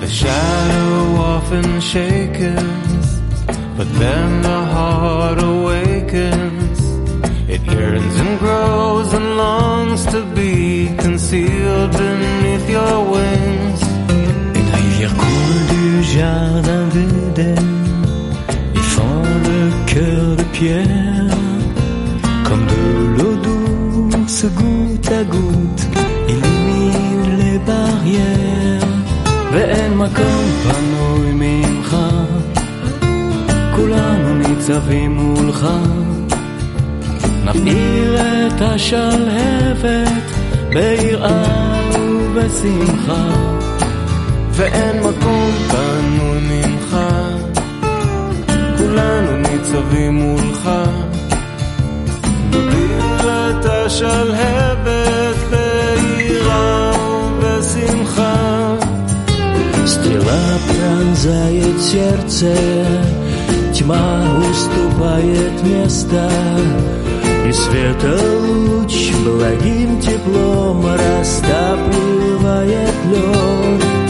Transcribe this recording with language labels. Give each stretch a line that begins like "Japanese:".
English: Shadow often shakens, but then the heart awakens. It yearns and grows and longs to be concealed beneath your wings.
French: Et la rivière coule du jardin d'Eden, il fend le cœur de pierre. Comme de l'eau douce, goutte à goutte, illumine les barrières.
Hebrew: ואין מקום פנוי ממך, כולנו ניצבים מולך. נפעיל את השלהבת ביראה ובשמחה. ואין מקום פנוי ממך, כולנו ניצבים מולך. נפעיל את השלהבת ביראה ובשמחה.
Russian: Стрела пронзает сердце, тьма уступает место, и света луч благим теплом растапливает лед.